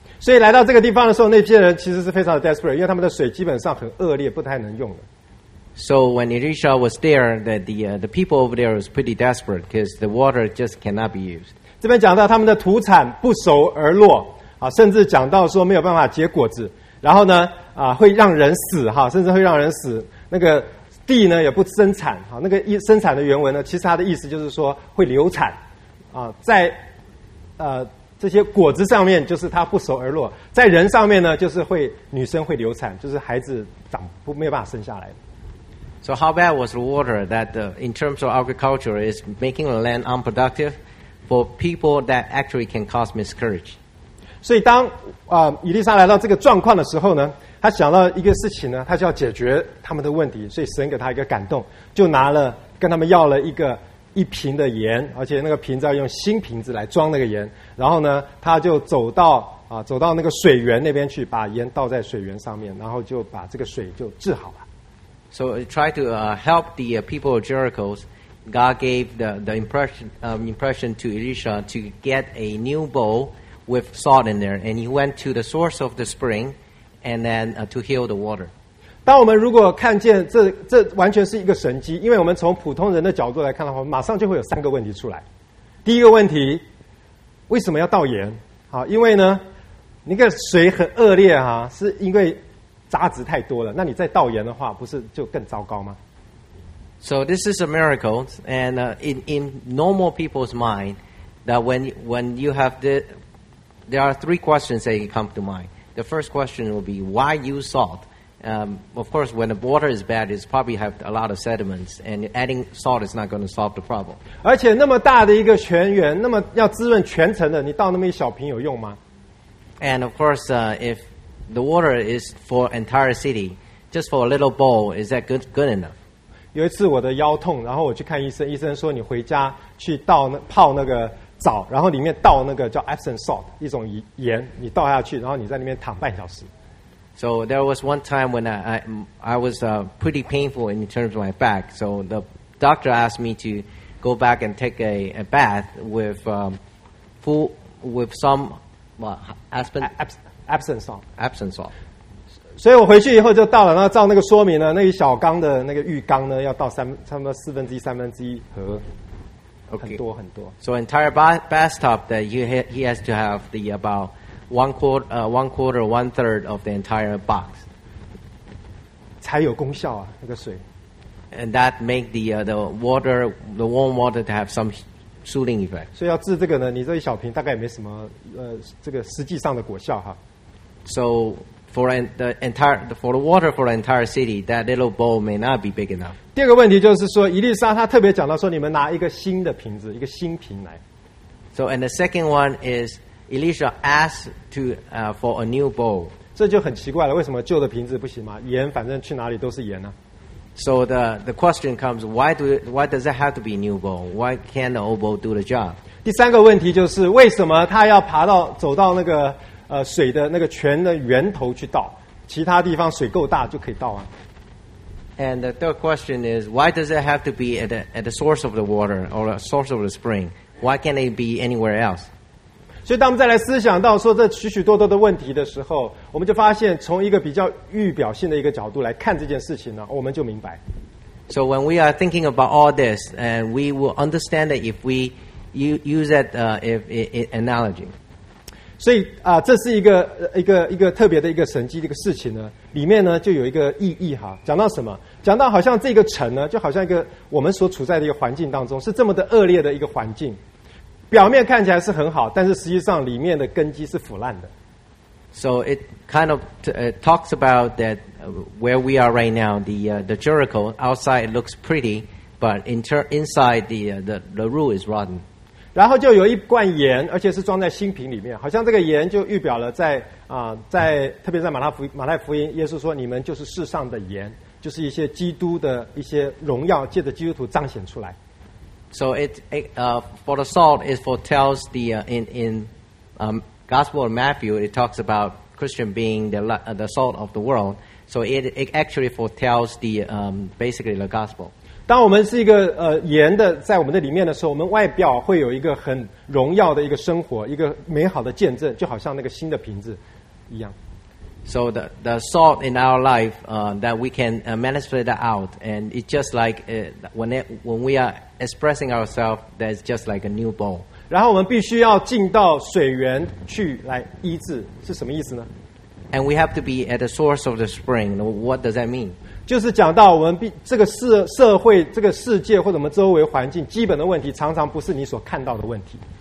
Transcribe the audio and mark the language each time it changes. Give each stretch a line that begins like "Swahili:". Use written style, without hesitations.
Chinese: 所以来到这个地方的时候，那些人其实是非常的 desperate， 因为他们的水基本上很恶劣，不太能用的。
English: So when Elisha was there, that the people over there was pretty desperate because the water just cannot be used.
Chinese: 这边讲到他们的土产不熟而落，啊，甚至讲到说没有办法结果子，然后呢，啊，会让人死，哈，甚至会让人死。那个地呢也不生产，哈，那个生产的原文呢，其实它的意思就是说会流产，啊，在，这些果子上面就是它不熟而落，在人上面呢，就是会女生会流产，就是孩子长不没有办法生下来。
English: So how bad was the water that in terms of agriculture is making the land unproductive for people that actually can cause miscarriage?
Chinese: 所以当以利沙来到这个状况的时候呢，他想到一个事情呢，他就要解决他们的问题，所以神给他一个感动，就拿了跟他们要了一瓶的盐，而且那个瓶子要用新瓶子来装那个盐。然后呢，他就走到那个水源那边去，把盐倒在水源上面，然后就把这个水就治好了。
English: So try to help the people of Jericho. God gave the impression to Elisha to get a new bowl with salt in there, and he went to the source of the spring, and then to heal the water.
Chinese: 当我们如果看见这完全是一个神迹，因为我们从普通人的角度来看的话，马上就会有三个问题出来。第一个问题，为什么要倒盐？好，因为呢，那个水很恶劣哈，是因为杂质太多了。那你再倒盐的话，不是就更糟糕吗
English: ？So this is a miracle, and in normal people's mind, that when you have the there are three questions that come to mind. The first question will be why use salt? Of course, when the water is bad, it's probably have a lot of sediments, and adding salt is not going to solve the problem.
Chinese: 而且那么大的一个泉源，那么要滋润全城的，你倒那么一小瓶有用吗
English: ？And of course, if the water is for entire city, just for a little bowl, is that good enough?
Chinese: 有一次我的腰痛，然后我去看医生，医生说你回家去倒那泡那个澡，然后里面倒那个叫 Epsom salt 一种盐，你倒下去，然后你在那边躺半小时。
English: So there was one time when I was pretty painful in terms of my back. So the doctor asked me to go back and take a bath with some aspen Epsom salt. Epsom salt.
Chinese: 所以我回去以后就倒了，然后照那个说明呢，那一小缸的那个浴缸呢，要倒差不多四分之一、三分之一盒。很多很多。
English: So entire bathtub that he has to have the about one quarter, one third of the entire box.
Chinese: 才有功效啊，那个水。
English: And that make the warm water to have some soothing effect.
Chinese: 所以要治这个呢，你这一小瓶大概也没什么这个实际上的果效哈。
English: So for the water for the entire city, that little bowl may not be big enough.
Chinese: 第二个问题就是说，伊丽莎她特别讲到说，你们拿一个新的瓶子，一个新瓶来。
English: So and the second one is Elisha asked to for a new bowl.
Chinese: 这就很奇怪了，为什么旧的瓶子不行吗？盐反正去哪里都是盐呢、啊。
English: So the question comes, why does it have to be a new bowl? Why can't the old bowl do the job?
Chinese: 第三个问题就是为什么他要爬到走到那个水的那个泉的源头去倒，其他地方水够大就可以倒啊。
English: And the third question is, why does it have to be at the source of the water or the source of the spring? Why can't it be anywhere else?
Chinese: 所以当我们再来思想到说这许许多多的问题的时候，我们就发现从一个比较预表性的一个角度来看这件事情呢，我们就明白。
English: So when we are thinking about all this, and we will understand that if we use that analogy.
Chinese: 所以这是一个特别的一个神迹的一个事情呢，里面呢就有一个意义哈。讲到什么？讲到好像这个城呢，就好像一个我们所处在的一个环境当中是这么的恶劣的一个环境，表面看起来是很好，但是实际上里面的根基是腐烂的。
English: So it kind of talks about that where we are right now, the Jericho outside looks pretty, but inside the rule is rotten.
Chinese: 然后就有一罐盐，而且是装在新瓶里面，好像这个盐就预表了在在特别在马太福音，耶稣说你们就是世上的盐，就是一些基督的一些荣耀借着基督徒彰显出来。
English: So for the salt is foretells the in Gospel of Matthew it talks about Christian being the salt of the world. So it actually foretells basically the gospel.
Chinese: 当我们是一个盐的在我们的里面的时候，我们外表会有一个很荣耀的一个生活，一个美好的见证，就好像那个新的瓶子一样。
English: So the salt in our life that we can manifest that out, and it's just like when we are expressing ourselves, that's just like a new bowl.
Chinese: 然后我们必须要进到水源去来医治，是什么意思呢？
English: And we have to be at the source of the spring. What does that mean?
Chinese: 就是讲到我们这个社会这个世界或者我们周围环境基本的问题常常不是你所看到的问题。